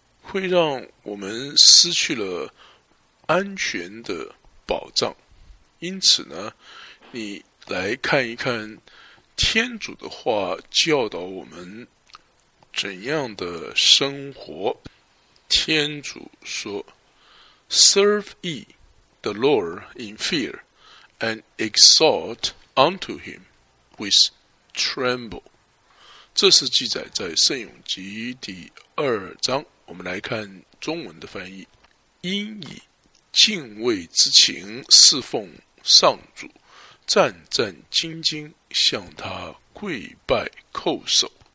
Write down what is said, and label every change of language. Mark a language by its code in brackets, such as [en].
[zh] 会让我们失去了安全的保障。因此呢，你来看一看天主的话教导我们怎样的生活。天主说， [en] Serve ye the Lord in fear and exalt unto him with tremble. [zh] 这是记载在圣咏集第二章。我们来看中文的翻译。因以敬畏之情侍奉上主，战战兢兢向他跪拜叩首。